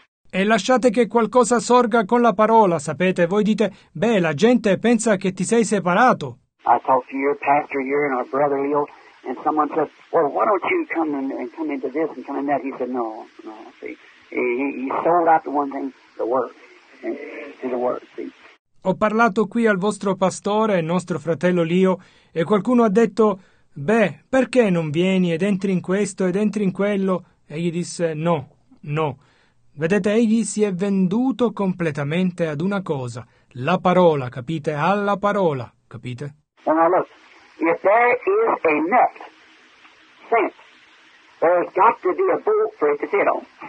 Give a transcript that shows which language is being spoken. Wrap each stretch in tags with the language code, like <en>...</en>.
<it>E lasciate che qualcosa sorga con la parola, sapete? Voi dite, beh, la gente pensa che ti sei separato.</it> <en>I talked to your pastor here and our brother Leo, and someone said, "Well, why don't you come and come into this and come in that?" He said, "No, no. See, he sold out the one thing, the word, to the word." See.</en> <it>Ho parlato qui al vostro pastore, nostro fratello Leo, e qualcuno ha detto, "Beh, perché non vieni ed entri in questo ed entri in quello?" E gli disse, "No, no." Vedete, egli si è venduto completamente ad una cosa, la parola, capite? Alla parola, capite?</it> <en>Well, now look, if there is a net sent, there's got to be a boat for it to fit on.</en>